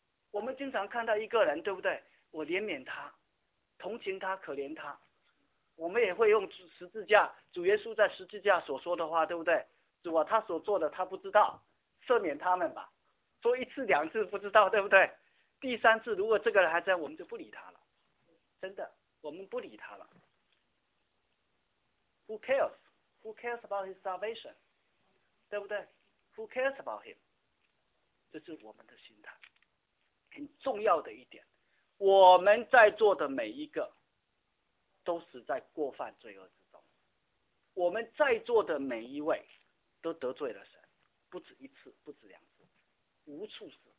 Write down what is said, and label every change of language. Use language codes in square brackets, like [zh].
[zh] 我们经常看到一个人，对不对？我怜悯他。同情他，可怜他，我们也会用十字架，主耶稣在十字架所说的话，对不对？主啊，他所做的他不知道，赦免他们吧。说一次两次不知道，对不对？第三次如果这个人还在，我们就不理他了。真的，我们不理他了。 [en] Who cares? Who cares about his salvation? [zh] 对不对 [en] ？Who cares about him? [zh] 这是我们的心态，很重要的一点。我们在座的每一个都死在过犯罪恶之中，我们在座的每一位都得罪了神，不止一次，不止两次，无处死。